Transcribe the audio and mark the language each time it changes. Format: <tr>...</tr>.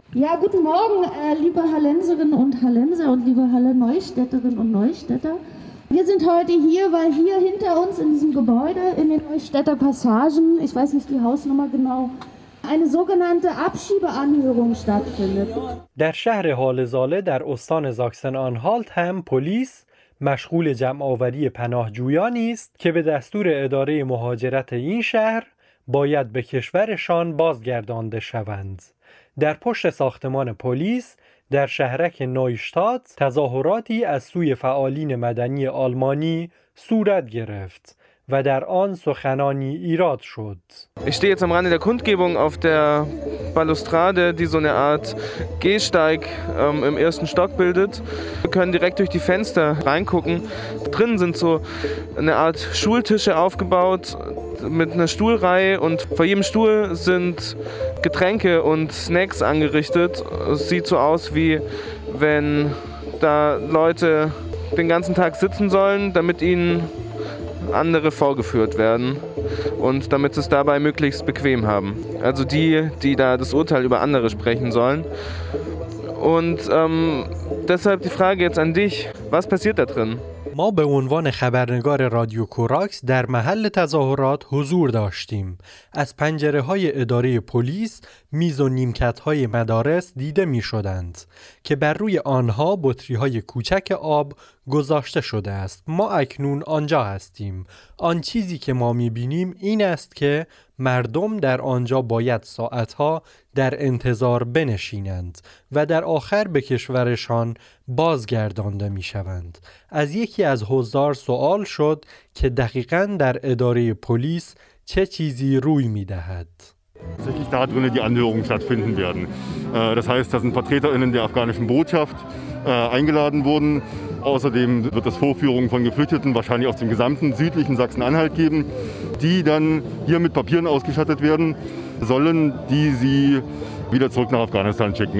<de>Ja, guten Morgen, liebe Hallenserinnen und Hallenser und liebe Halle-Neustädterinnen und Neustädter. Wir sind heute hier, weil hier hinter uns in diesem Gebäude, in den Neustädter Passagen, ich weiß nicht die Hausnummer genau, eine sogenannte Abschiebeanhörung stattfindet.</de> <fa>در شهر هاله‌زاله در استان ساکسن-آنهالت هم پلیس مشغول جمع‌آوری پناهجویانی است که به دستور اداره مهاجرت این شهر باید به کشورشان بازگردانده شوند. در پشت ساختمان پلیس در شهرک نویشتات تظاهراتی از سوی فعالین مدنی آلمانی صورت گرفت و در آن سخنانی ایراد شد.</fa> <de>Ich stehe jetzt am Rande der Kundgebung auf der Balustrade, die so eine Art Gehsteig im ersten Stock bildet. Wir können direkt durch die Fenster reingucken. Drinnen sind so eine Art Schultische aufgebaut mit einer Stuhlreihe und vor jedem Stuhl sind Getränke und Snacks angerichtet. Es sieht so aus, wie wenn da Leute den ganzen Tag sitzen sollen, damit ihnen andere vorgeführt werden und damit sie es dabei möglichst bequem haben. Also die, die da das Urteil über andere sprechen sollen. Und deshalb die Frage jetzt an dich, was passiert da drin?</de> <fa>ما به عنوان خبرنگار رادیو کوراکس در محل تظاهرات حضور داشتیم. از پنجره های اداره پلیس میز و نیمکت های مدارس دیده می شدند که بر روی آنها بطری های کوچک آب گذاشته شده است. ما اکنون آنجا هستیم. آن چیزی که ما می بینیم این است که مردم در آنجا باید ساعت ها در انتظار بنشینند و در آخر به کشورشان بازگردانده می شوند. از یکی از حضار سوال شد که دقیقاً در اداره پلیس چه چیزی روی می دهد.</fa> <de>Tatsächlich da drinnen die Anhörungen stattfinden werden. Das heißt, da sind VertreterInnen der afghanischen Botschaft eingeladen wurden. Außerdem wird es Vorführungen von Geflüchteten wahrscheinlich aus dem gesamten südlichen Sachsen-Anhalt geben, die dann hier mit Papieren ausgestattet werden sollen, die sie wieder zurück nach Afghanistan schicken.</de>